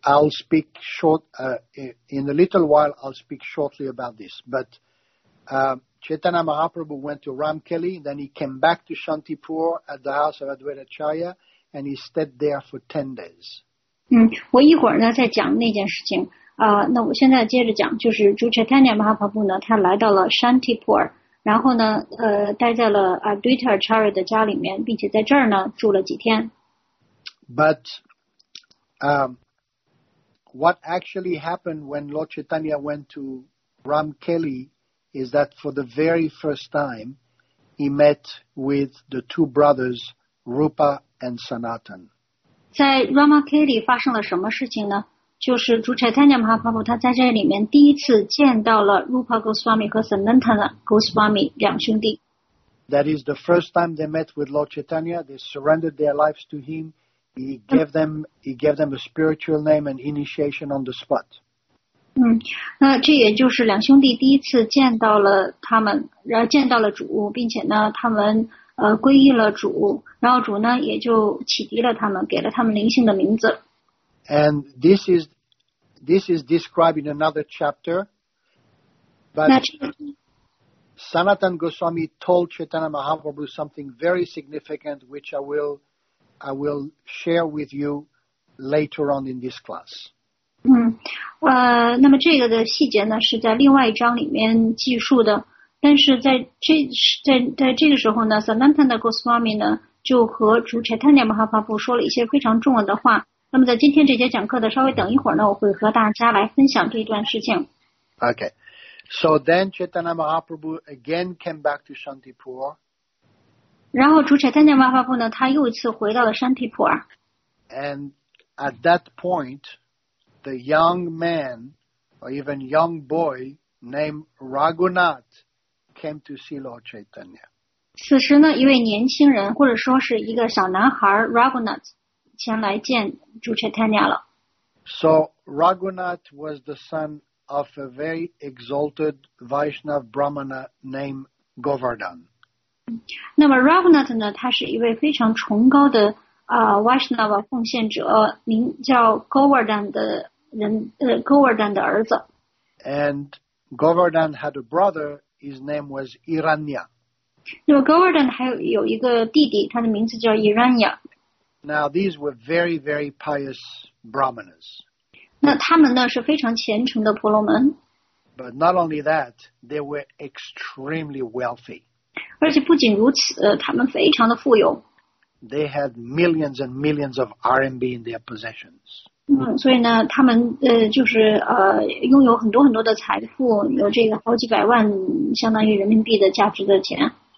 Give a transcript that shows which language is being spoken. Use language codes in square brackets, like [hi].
[en] I'll speak short, in a little while, I'll speak shortly about this. But Chaitanya Mahaprabhu went to Ramkeli, then he came back to Shantipur at the house of Advaita Acharya, and he stayed there for 10 days. [zh] 我一会儿呢再讲那件事情啊、那我现在接着讲，就是朱彻坦尼亚马哈帕布呢，他来到了山提普尔，然后呢，待在了阿杜特尔查瑞的家里面，并且在这儿呢住了几天。 [en] But, what actually happened when Lord Chaitanya went to Ramkeli is that for the very first time, he met with the two brothers Rupa and Sanatan. [zh] 在 Ramkeli 发生了什么事情呢？就是朱彻坦尼亚马哈帕布他在这里面第一次见到了 Rupa Goswami 和 Sanatana Goswami 两兄弟。 [en] That is the first time they met with Lord Chaitanya. They surrendered their lives to him. He gave them a spiritual name and initiation on the spot. [zh] 嗯，那这也就是两兄弟第一次见到了他们，然后见到了主，并且呢，他们皈依了主，然后主呢也就启迪了他们，给了他们灵性的名字。 [en] And this is described in another chapter. But Sanatan Goswami told Chaitanya Mahaprabhu something very significant, which I will share with you later on in this class. [zh] 那么这个的细节呢是在另外一章里面记述的。但是在这个时候呢 ，Sanatan Goswami 呢就和主 Chaitanya Mahaprabhu 说了一些非常重要的话。那么在今天这节讲课的稍微等一会儿呢，我会和大家来分享这一段事情。 [en] Okay, so then Chaitanya Mahaprabhu again came back to Shantipur. [zh] 然后主 Chaitanya Mahaprabhu 呢，他又一次回到了山提普尔。 [en] And at that point, the young man or even young boy named Raghunath came to see Lord Chaitanya. [zh] 此时呢，一位年轻人或者说是一个小男孩 Raghunath。前来见朱彻坦尼亚了。 [en] So Raghunath was the son of a very exalted Vaishnav Brahmana named Govardhan. [zh] 那么 Raghunath 呢，他是一位非常崇高的Vaishnav 奉献者，名叫 Govardhan 的人，Govardhan 的儿子。 [en] And Govardhan had a brother, his name was Hiranya. [zh] 那么 Govardhan 还有一个弟弟，他的名字叫 Hiranya。 [en] Now these were very, very pious brahmanas. [zh] 那他们呢是非常虔诚的婆罗门。 [en] But not only that, they were extremely wealthy. [zh] 而且不仅如此，他们非常的富有。 [en] They had millions and millions of RMB in their possessions. [zh] 所以呢，他们就是拥有很多很多的财富，有这个好几百万，相当于人民币的价值的钱。